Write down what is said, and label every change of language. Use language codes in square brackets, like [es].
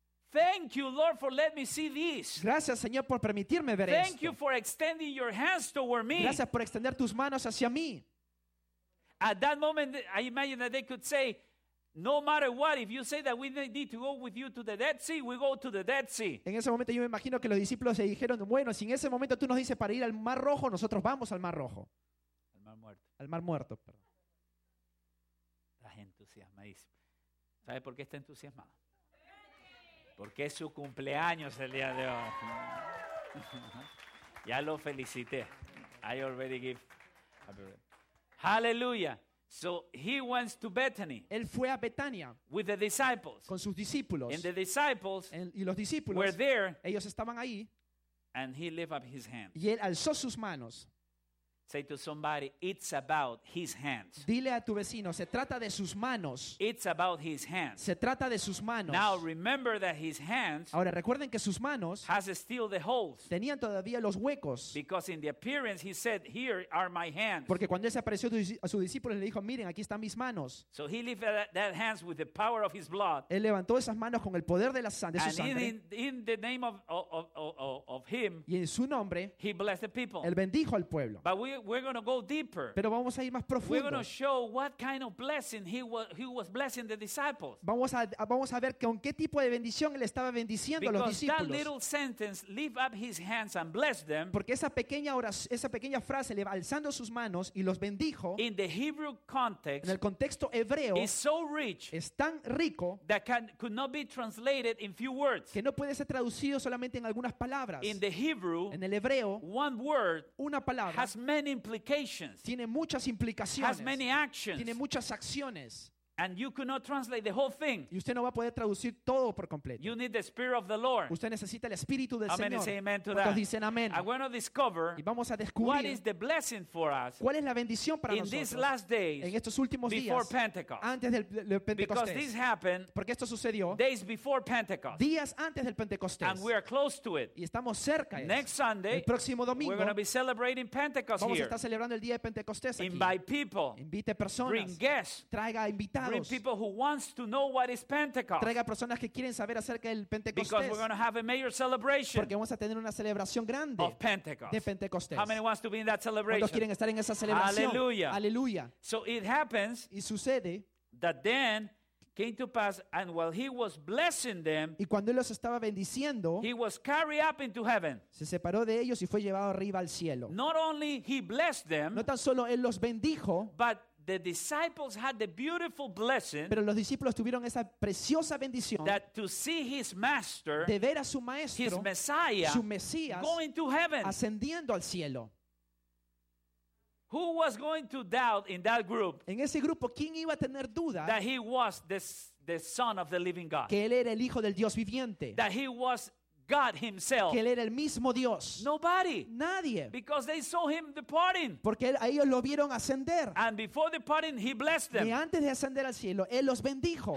[en] Thank you, Lord, for letting me see this. [es] Gracias, Señor, por permitirme ver [en] Thank [es] esto. [en] You for extending your hands toward me. [es] Gracias por extender tus manos hacia mí. [en] At that moment, I imagine that they could say, no matter what, if you say that we need to go with you to the Dead Sea, we go to the Dead Sea. [es] En ese momento yo me imagino que los discípulos se dijeron, bueno, si en ese momento tú nos dices para ir al Mar Rojo, nosotros vamos al Mar Rojo. Al Mar Muerto. Al Mar Muerto, perdón. La gente entusiasmadísima. ¿Sabe por qué está entusiasmada? Porque es su cumpleaños el día de hoy. Ya lo felicité. [en] I already give. [es] Hallelujah. [en] So he went to Bethany. [es] Él fue a Betania. [en] With the disciples. [es] Con sus discípulos. [en] And the disciples. [es] Y los discípulos. [en] Were there. [es] Ellos estaban ahí. [en] And he lifted up his hands. [es] Y él alzó sus manos. [en] Say to somebody, it's about his hands. [es] Dile a tu vecino, se trata de sus manos. [en] It's about his hands. [es] Se trata de sus manos. [en] Now remember that his hands. [es] Ahora recuerden que sus manos. [en] Has still the holes. [es] Tenían todavía los huecos. [en] Because in the appearance he said, here are my hands. [es] Porque cuando él se apareció a sus discípulos le dijo, miren, aquí están mis manos. [en] So he lifted that hands with the power of his blood. [es] Él levantó esas manos con el poder de la sangre. [en] And in the name of him. [es] Y en su nombre. [en] He blessed the people. [es] Él bendijo al pueblo. [en] But we we're going to go deeper. [es] Pero vamos a ir más profundo. [en] We're going to show what kind of blessing he was blessing the disciples. [es] Vamos a ver con qué tipo de bendición él estaba bendiciendo [en] because [es] a los discípulos. [en] Because that little sentence, lift up his hands and bless them. [es] Porque esa pequeña frase, alzando sus manos y los bendijo. [en] In the Hebrew context, [es] en el contexto hebreo, [en] is so rich, [es] es tan rico, [en] that could not be translated in few words. [es] Que no puede ser traducido solamente en algunas palabras. [en] In the Hebrew, [es] en el hebreo, [en] one word, [es] una palabra, [en] has many implications. [es] Tiene muchas implicaciones. [en] Has many actions. [es] Tiene muchas acciones. [en] And you could not translate the whole thing. [es] Y usted no va a poder traducir todo por completo. [en] You need the Spirit of the Lord. [es] Usted necesita el Espíritu del Señor. [en] Say amen to that. [es] Dicen amén. [en] I want to discover. [es] Y vamos a descubrir. [en] What is the blessing for us? [es] ¿Cuál es la bendición para [en] in [es] nosotros? [en] These last days. [es] En estos últimos [en] before [es] días. [en] Before Pentecost. [es] Antes del Pentecostés. [en] Because this happened. [es] Porque esto sucedió. [en] Days before Pentecost. [es] Días antes del Pentecostés. [en] And we are close to it. [es] Y estamos cerca. [en] Next Sunday. [es] El próximo domingo. [en] We're going to be celebrating Pentecost [es] vamos [en] here. [es] Vamos a estar celebrando el día de Pentecostés aquí. [en] Invite people. [es] Invite personas. [en] Bring guests. [es] Traiga invitados. [en] Bring people who wants to know what is Pentecost. [es] Traiga personas que quieren saber acerca del Pentecostés. [en] Because we're going to have a major celebration. [es] Porque vamos a tener una celebración grande. [en] Of Pentecost. [es] De Pentecostés. [en] How many wants to be in that celebration? [es] ¿Cuántos quieren estar en esa celebración? [en] Hallelujah. Hallelujah. So it happens. [es] Y sucede. [en] That then came to pass, and while he was blessing them, [es] y cuando él los estaba bendiciendo, [en] he was carried up into heaven. [es] Se separó de ellos y fue llevado arriba al cielo. [en] Not only he blessed them. [es] No tan solo él los bendijo, [en] but the disciples had the beautiful blessing. [es] Pero los discípulos tuvieron esa preciosa bendición. [en] That to see his master, [es] de ver a su maestro, [en] his Messiah, [es] su Mesías, [en] going to heaven, [es] ascendiendo al cielo. [en] Who was going to doubt in that group? [es] En ese grupo, ¿quién iba a tener duda? [en] That he was the Son of the Living God. [es] Que él era el Hijo del Dios viviente. [en] That he was God himself. [es] Que él era el mismo Dios. [en] Nobody. [es] Nadie. [en] Because they saw him departing. [es] Porque a ellos lo vieron ascender. [en] And before departing, he blessed them. [es] Y antes de ascender al cielo, él los bendijo.